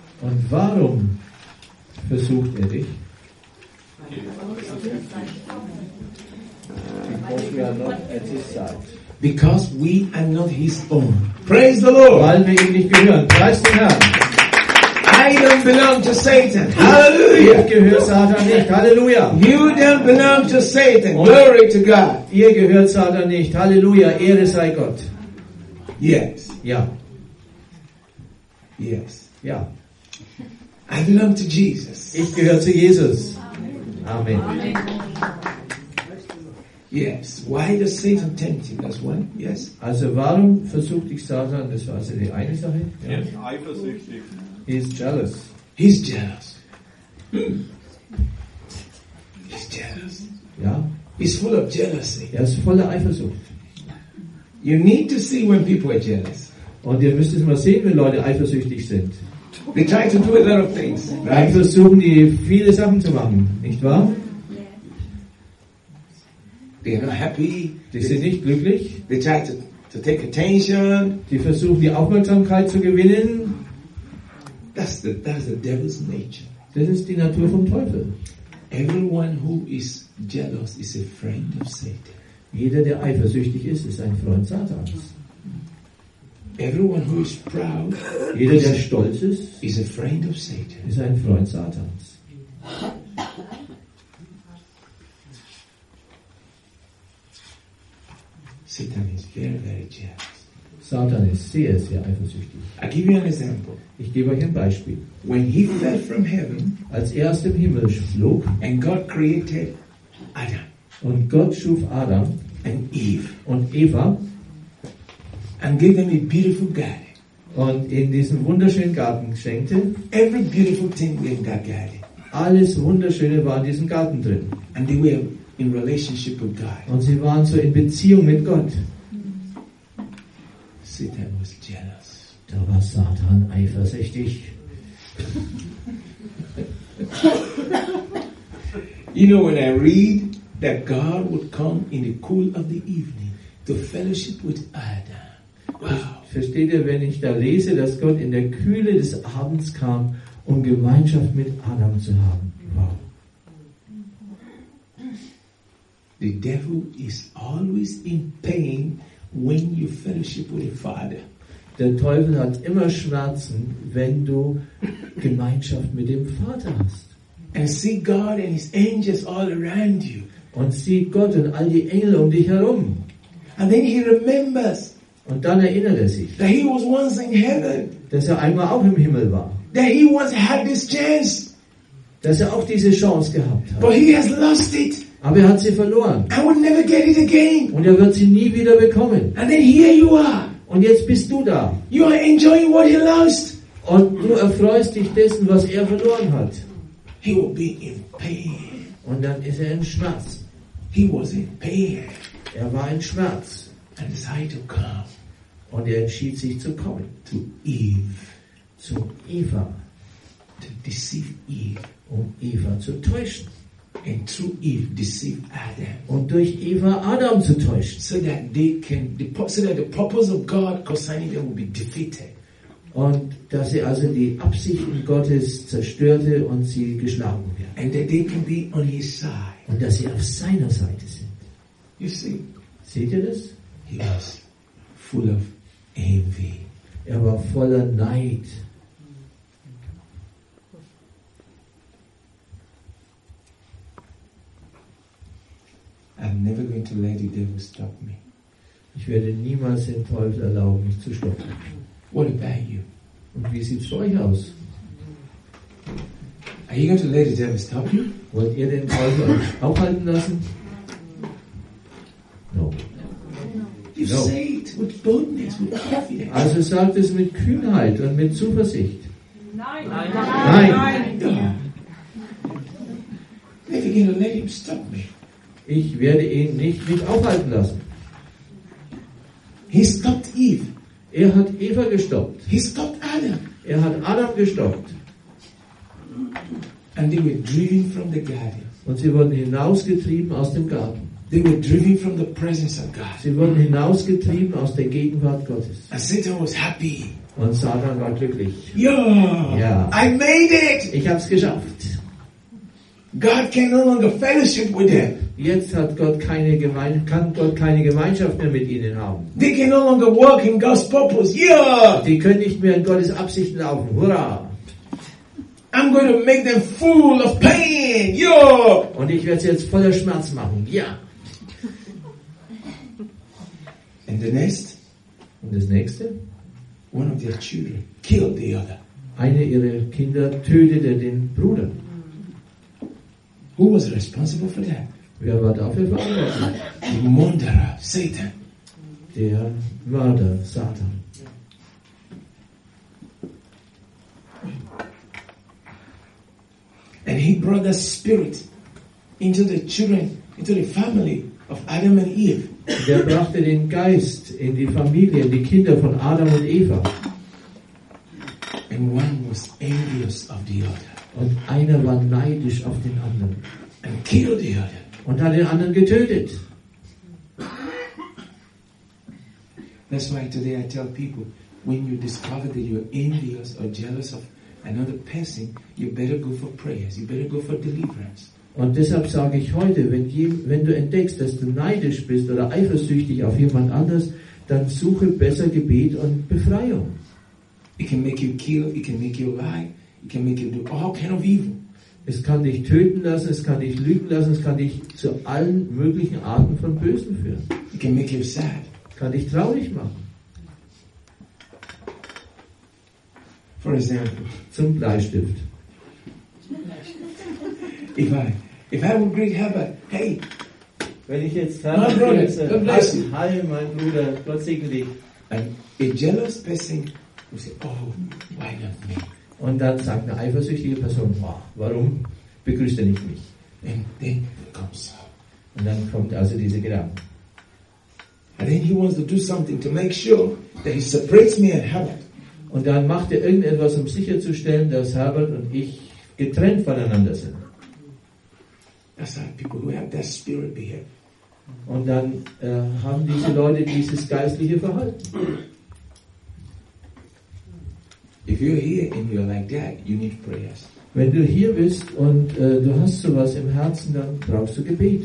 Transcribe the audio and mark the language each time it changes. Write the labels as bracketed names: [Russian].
[German] Und warum versucht er dich? [English] Because we are not at his side. Because we are not his own. Praise the Lord! [German] Weil wir ihm nicht gehören. Preist den Herrn! [English] I don't belong to Satan. Hallelujah. [German] Ich gehöre Satan nicht. Hallelujah. [English] You don't belong to Satan. Glory to God. [German] Ihr gehört Satan nicht. Halleluja. Ehre sei Gott. [English] Yes. [German] Ja. [English] Yes. [German] Ja. [English] I belong to Jesus. [German] Ich gehöre zu Jesus. [English] Amen. Amen. Yes. Why does Satan tempt him? That's one. Yes. [German] Also, warum versucht dich Satan? Das war also die eine Sache. Ja. [English] Yes. [German] Eifersüchtig. [English] He's jealous. He's jealous. He's jealous. Yeah. He's full of jealousy. [German] Er ist voller Eifersucht. [English] You need to see when people are jealous. [German] Und ihr müsst es mal sehen, wenn Leute eifersüchtig sind. [English] They try to do a lot of things. Right? [German] Die versuchen, die viele Sachen zu machen, nicht wahr? [English] They are not happy. [German] Die sind nicht glücklich. [English] They try to take attention. [German] Die versuchen, die Aufmerksamkeit zu gewinnen. [English] That's the devil's nature. [German] Das ist die Natur vom Teufel. [English] Everyone who is jealous is a friend of Satan. [German] Jeder, der eifersüchtig ist, ist ein Freund Satans. [English] Everyone who is proud, [German] jeder, der stolz ist, [English] is a friend of Satan. [German] Ist ein Freund Satans. [English] Satan is very, very jealous. [German] Satan ist sehr, sehr eifersüchtig. [English] I give you an example. [German] Ich gebe euch ein Beispiel. [English] When he fell from heaven, [German] als er aus dem Himmel flog, [English] and God created Adam, [German] und Gott schuf Adam [English] and Eve, [German] und Eva, [English] and gave them a beautiful garden, [German] und in diesen wunderschönen Garten schenkte, [English] every beautiful thing in that garden, [German] alles Wunderschöne war in diesem Garten drin, [English] and they were in relationship with God, [German] und sie waren so in Beziehung mit Gott. [English] Satan was jealous. [German] Da war Satan eifersüchtig. [English] You know, when I read that God would come in the cool of the evening to fellowship with Adam. Wow. [German] Versteht ihr, wenn ich da lese, dass Gott in der Kühle des Abends kam, um Gemeinschaft mit Adam zu haben? Wow. [English] The devil is always in pain when you fellowship with the Father. [German] Der Teufel hat immer Schmerzen, wenn du Gemeinschaft mit dem Vater hast. [English] And see God and his angels all around you. [German] Und sieh Gott und all die Engel um dich herum. [English] And then he remembers. [German] Und dann erinnert er sich. [English] That he was once in heaven. [German] Dass er einmal auch im Himmel war. [English] That he once had this chance. [German] Dass er auch diese Chance gehabt hat. [English] But he has lost it. [German] Aber er hat sie verloren. [English] I will never get it again. [German] Und er wird sie nie wieder bekommen. [English] And then here you are. [German] Und jetzt bist du da. [English] You are enjoying what he lost. [German] Und du erfreust dich dessen, was er verloren hat. [English] He will be in pain. [German] Und dann ist er in Schmerz. [English] He was in pain. [German] Er war in Schmerz. [English] And decided to come. [German] Und er entschied sich zu kommen. [English] To Eve. [German] Zu Eva. [English] To deceive Eve. [German] Um Eva zu täuschen. [English] And through Eve deceive Adam. [German] Und durch Eva Adam zu täuschen. [English] So that they can, so that the purpose of God concerning them will be defeated. [German] Und dass sie also die Absichten Gottes zerstörte und sie geschlagen werden. [English] And that they can be on his side. [German] Und dass sie auf seiner Seite sind. [English] You see? [German] Seht ihr das? [English] He was full of envy. [German] Er war voller Neid. [English] I'm never going to let the devil stop me. [German] Ich werde niemals den Teufel erlauben, mich zu stoppen. [English] What about you? [German] Und wie sieht's für euch aus? [English] Are you going to let the devil stop you? [German] Wollt ihr den Teufel aufhalten lassen? [English] No. You no. Say it with boldness, with confidence. [German] Also sagt es mit Kühnheit und mit Zuversicht. Nein. Nein. [English] Never going to let him stop me. [German] Ich werde ihn nicht mit aufhalten lassen. [English] He stopped Eve. [German] Er hat Eva gestoppt. [English] He stopped Adam. [German] Er hat Adam gestoppt. [English] And they were driven from the garden. [German] Und sie wurden hinausgetrieben aus dem Garten. [English] They were driven from the presence of God. [German] Sie wurden hinausgetrieben aus der Gegenwart Gottes. [English] And Satan was happy. [German] Und Satan war glücklich. [English] Yeah, I made it. [German] Ich habe es geschafft. [English] God can no longer fellowship with them. [German] Jetzt hat Gott keine kann Gott keine Gemeinschaft mehr mit ihnen haben. [English] They can no longer walk in God's purpose. Yeah. [German] Die können nicht mehr in Gottes Absichten laufen. Hurra! [English] I'm going to make them full of pain. Yo! [German] Und ich werde sie jetzt voller Schmerzen machen. Ja. [English] And the next? [German] Und das nächste? [English] One of their children killed the other. [German] Eine ihrer Kinder tötete den Bruder. [English] Who was responsible for that? [German] Wer war dafür verantwortlich? [English] The murderer, Satan. [German] Der Mörder, Satan. [English] And he brought that spirit into the children, into the family of Adam and Eve. [German] Der brachte den Geist in die Familie, in die Kinder von Adam und Eva. [English] And one was envious of the other. [German] Und einer war neidisch auf den anderen. [English] And killed the other. [German] Und hat den anderen getötet. [English] That's why today I tell people, when you discover that you're envious or jealous of another person, you better go for prayers. You better go for deliverance. [German] Und deshalb sage ich heute, wenn du entdeckst, dass du neidisch bist oder eifersüchtig auf jemand anders, dann suche besser Gebet und Befreiung. [English] It can make you kill, it can make you lie, it can make you do all kind of evil. [German] Es kann dich töten lassen, es kann dich lügen lassen, es kann dich zu allen möglichen Arten von Bösen führen. [English] It can make you sad. [German] Kann dich traurig machen. [English] For example, [German] zum Bleistift. [English] If I would greet Herbert, hey, [German] wenn ich jetzt Herbert grüße, hi mein Bruder, Gott segne dich. [English] And a jealous person would say, oh, why not me? [German] Und dann sagt eine eifersüchtige Person, wow, warum begrüßt er nicht mich? [English] And then comes. [German] Und dann kommt also diese Gedanke. [English] And then he wants to do something to make sure that he separates me and Herbert. [German] Und dann macht er irgendetwas, um sicherzustellen, dass Herbert und ich getrennt voneinander sind. [English] That's how people who have that spirit behave. [German] Und dann haben diese Leute dieses geistliche Verhalten. [English] If you're here and you're like that, you need prayers. [German] Wenn du hier bist und du hast sowas im Herzen, dann brauchst du Gebet.